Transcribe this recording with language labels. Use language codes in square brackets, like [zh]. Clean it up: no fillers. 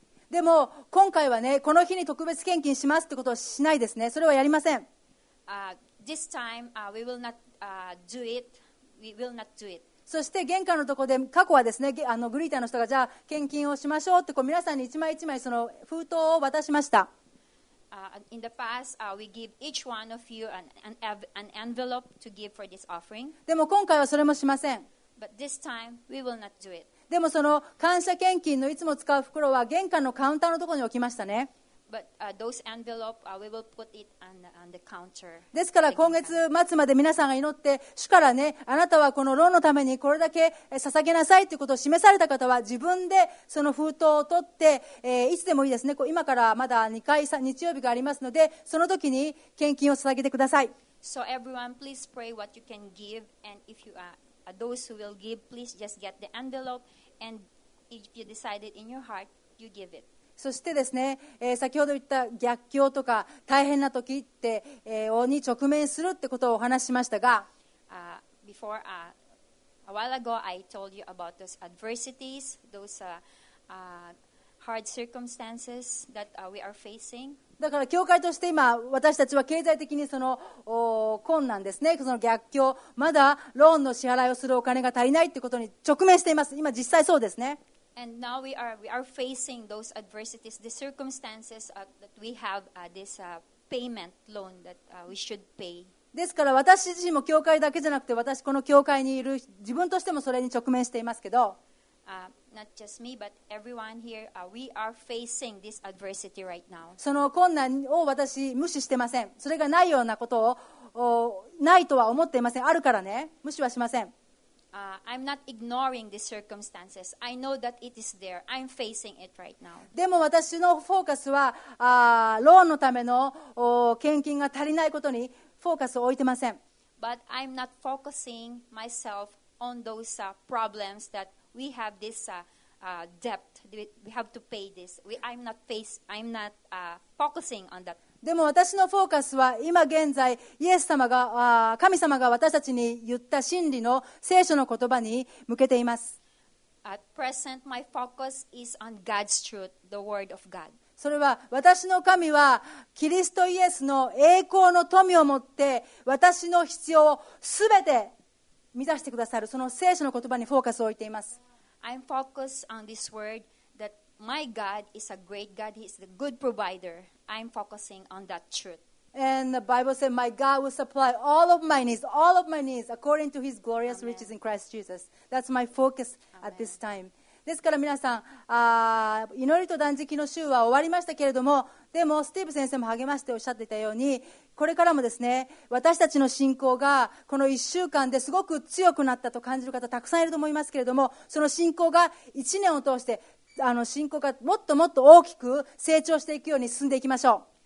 [ja] でも今回はねこの日に特別献金しますってことをしないですね。それはやりません。 [en] This time, we will not, do it. We will not do it. [ja] そして玄関のところで過去はですねグリーターの人がじゃあ献金をしましょうってこう皆さんに一枚一枚その封筒を渡しました。 [en] In the past, we give each one of you an envelope to give for this offering. [ja] でも今回はそれもしません。 [en] But this time, we will not do it. [ja] でもその感謝献金のいつも使う袋は玄関のカウンターのところに置きましたね。 [en] But, those envelope, we will put it on the counter. [ja] ですから今月末まで皆さんが祈って主からねあなたはこのローンのためにこれだけ捧げなさいということを示された方は自分でその封筒を取って、いつでもいいですね。今からまだ2回日曜日がありますのでその時に献金を捧げてください。 [en] So everyone please pray what you can give and if you areThose who will give, please just get the envelope, and if you decided in your heart, you give it. [ja] そしてですね、先ほど言った逆境とか大変な時って、に直面するってことをお話しましたが、 [en] before, a while ago, I told you about those adversities, those hard circumstances that we are facing. [ja] だから教会として今私たちは経済的にその困難ですねその逆境まだローンの支払いをするお金が足りないってことに直面しています。今実際そうですね。 [en] And now we are facing those adversities, the circumstances that we have this payment loan that we should pay. [ja] ですから私自身も教会だけじゃなくて私この教会にいる自分としてもそれに直面していますけど。 [en] Not just me, but everyone here, we are facing this adversity right now. [ja] その困難を私無視してません。それがないようなことをないとは思っていません。あるからね、無視はしません。 [en] I'm not ignoring the circumstances. I know that it is there. I'm facing it right now. [ja] でも私のフォーカスはローンのための献金が足りないことにフォーカスを置いてません。 [en] But I'm not focusing myself on those problems that. We have this debt. We have to pay this. I'm not focusing on that. [ja] でも私のフォーカスは今現在イエス様が神様が私たちに言った真理の聖書の言葉に向けています。 [en] At present, my focus is on God's truth, the Word of God. [ja] それは私の神はキリストイエスの栄光の富をもって私の必要をすべて満たしてくださるその聖書の言葉にフォーカスを置いています。 [en] I'm focused on this word that my God is a great God. He's the good provider. I'm focusing on that truth. And the Bible said, "My God will supply all of my needs, according to His glorious riches in Christ Jesus." That's my focus at this time. [ja] ですから皆さん、祈りと断食の週は終わりましたけれども、でもスティーブ先生も励ましておっしゃっていたように、これからもですね、私たちの信仰がこの1週間ですごく強くなったと感じる方たくさんいると思いますけれども、その信仰が1年を通して信仰がもっともっと大きく成長していくように進んでいきましょう。